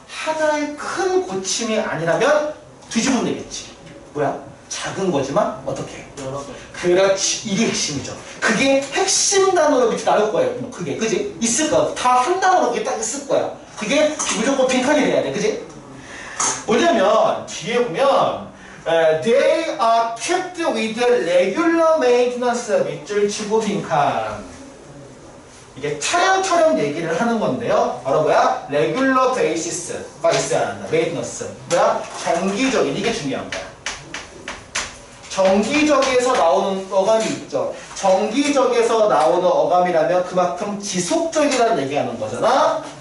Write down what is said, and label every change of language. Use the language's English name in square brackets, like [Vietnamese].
[Korean] 하나의 큰 고침이 아니라면 뒤집으면 되겠지. 뭐야? 작은 거지만 어떻게? 그렇지. 이게 핵심이죠. 그게 핵심 단어로 밑에 나올 거예요. 뭐 그게. 그지? 있을 거야. 다 한 단어로 이게 딱 있을 거야. 그게 무조건 빈칸이 돼야 돼. 그지? 뭐냐면, 뒤에 보면, [English] they are kept with regular maintenance. [Korean] 밑줄 치고 빈칸. 이게 차량 얘기를 하는 건데요. 바로 뭐야? [English] regular basis. [Korean] 가 있어야 한다. maintenance. 뭐야? 정기적인. 이게 중요한 거야. 정기적에서 나오는 어감이 있죠. 정기적에서 나오는 어감이라면 그만큼 지속적이라는 얘기하는 거잖아.